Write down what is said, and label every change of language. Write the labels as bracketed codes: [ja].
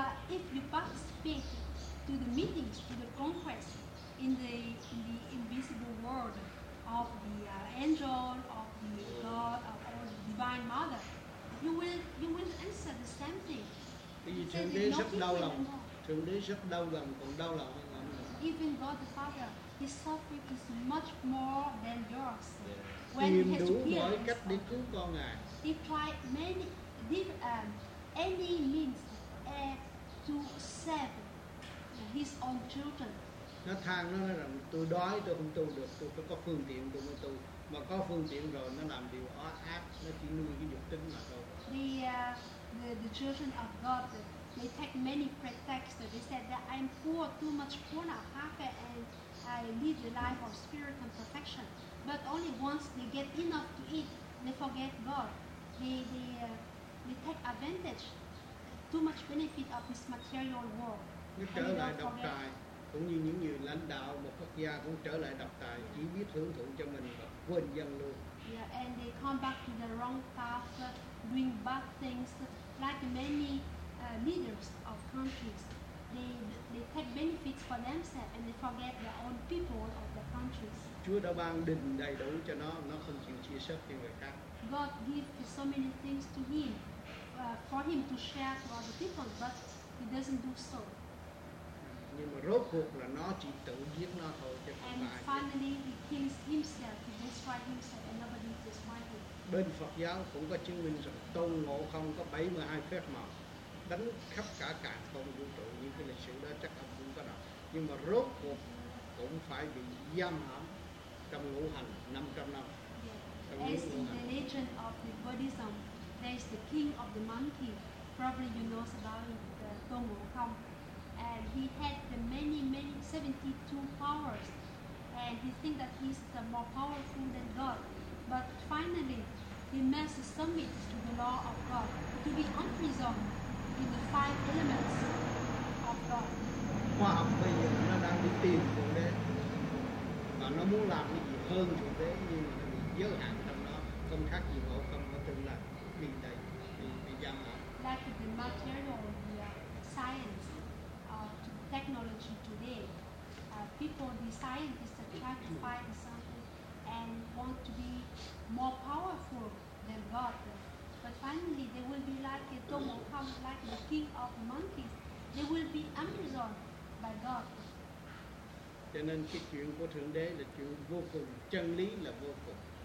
[en] If you participate to the meetings, to the conference in the invisible world of the angel, of the God, of our Divine Mother, you will answer the same thing. [vi] Thượng Đế rất đau lòng. Thượng Đế rất đau lòng, còn đau lòng hơn ông. [en] Even God the Father, His suffering is much more than yours. Yeah. When [vi] tìm [en] he has [vi] đủ [en] to [vi] mọi cách để cứu con ngài. [en] He tried many, any means, to save his own children. [vi] Nó than nó nói rằng tôi đói tôi không tu được, tôi phải có phương tiện tôi mới tu. Mà có phương tiện rồi nó làm điều ó ác, nó chỉ nuôi cái dục tính mà thôi. [en] The children of God, they take many pretexts. They said that I'm poor, too much poor now, happy, and I lead the life of spirit and perfection. But only once they get enough to eat, they forget God. They take advantage, too much benefit of this material world. [vi] Nó trở lại độc tài, cũng như những người lãnh đạo một quốc gia cũng trở lại độc tài, chỉ biết hưởng thụ cho mình và quên dân luôn. [en] Yeah, and they come back to the wrong path, doing bad things, like many leaders of countries. They take benefits for themselves and they forget their own people of the countries. [vi] Chúa đã ban đình đầy đủ cho nó không chịu chia sẻ cho người khác. [en] God gives so many things to him, for him to share to other people, but he doesn't do so. [vi] Nhưng mà rốt cuộc là nó chỉ tự giết nó thôi, chứ không [en] and Finally he kills himself, he destroys himself, and nobody destroys him. [vi] Bên Phật giáo cũng có chứng minh rằng Tôn Ngộ Không có 72 phép màu đánh khắp cả càn khôn vũ trụ. Những cái lịch sử đó chắc ông cũng có đọc. Nhưng mà rốt cuộc cũng phải bị giam hãm trong ngũ hành 500 năm. [en] Yeah. As in the legend of the Buddhism, there is the king of the monkey. Probably you know about him, Tôn Ngộ Không. And he had the many 72 powers. And he think that he's the more powerful than God. But finally, he must submit to the law of God to be imprisoned in the five elements of God. [vi] Khoa học bây giờ nó đang đi tìm thượng đế và nó muốn làm cái gì hơn thượng đế, nhưng mà nó bị giới hạn trong nó, không khác gì ngộ không có tương lai, bị đầy, bị giam hãm. [en] Like the material, the science, technology today, people, the scientists are trying to find something and want to be more powerful than God. But finally, they will be like a Tôn Ngộ Không, like the king of monkeys. They will be imprisoned by God. [vi] Cho nên cái chuyện của Thượng Đế là chuyện vô cùng, chân lý là vô cùng.